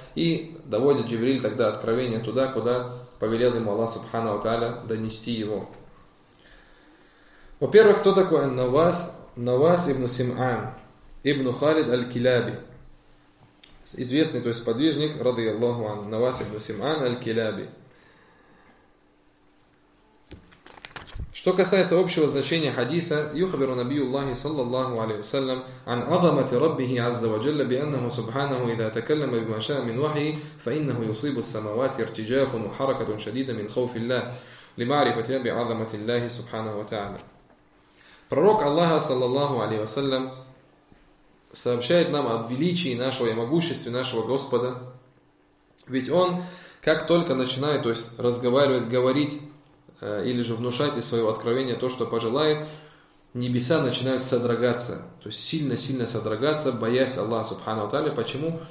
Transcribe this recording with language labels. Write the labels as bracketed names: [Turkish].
[Russian] И доводит Джибриль тогда откровение туда, куда повелел ему Аллах Субхана ва Тааля донести его. Во-первых, кто такой Навас? Навас ибн Сим'ан, ибн Халид аль-Киляби. Известный, то есть подвижник, رضي الله عنه, Навас ибн Сим'ан аль-Киляби. Что касается общего значения хадиса, [Arabic] يخبر نبي الله صلى الله عليه وسلم عن عظمة ربه عز وجل بأنه سبحانه إذا تكلم بما شاء من وحي فإنه يصيب السماوات ارتجاف وحركة شديدة من خوف الله لمعرفة بعظمة الله سبحانه وتعالى. [Russian] Пророк Аллаха صلى الله عليه وسلم сообщает нам о величии нашего и могуществе нашего Господа, ведь он, как только начинает, то есть разговаривать, говорить или же внушать из своего откровения то, что пожелает, небеса начинают содрогаться, то есть сильно-сильно содрогаться, боясь Аллаха Субхана ва Тааля. Почему?